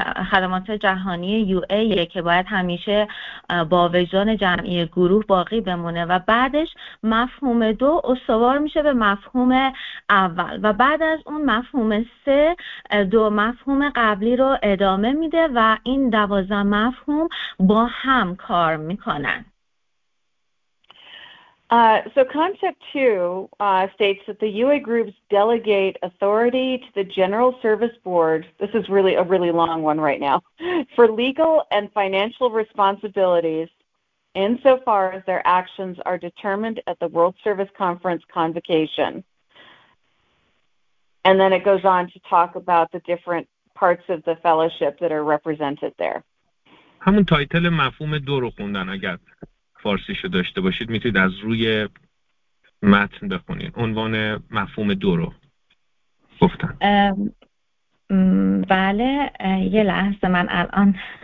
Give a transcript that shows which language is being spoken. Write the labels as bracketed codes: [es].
[fa] خدمات جهانی UA که باید همیشه با وجدان جمعی گروه باقی بمونه و بعدش مفهوم دو استوار میشه به مفهوم اول و بعد از اون مفهوم سه دو مفهوم قبلی رو ادامه میده و این 12 مفهوم با هم کار میکنن. [en] So concept 2 states that the UA groups delegate authority to the General Service Board. This is really a really long one right now. For legal and financial responsibilities insofar as their actions are determined at the World Service Conference convocation. And then it goes on to talk about the different parts of the fellowship that are represented there. [fa] همون تایتل مفهوم دو رو خوندن، اگر فارسیشو داشته باشید میتونید از روی متن بخونید. عنوان مفهوم دو رو گفتن. بله، یه لحظه من الان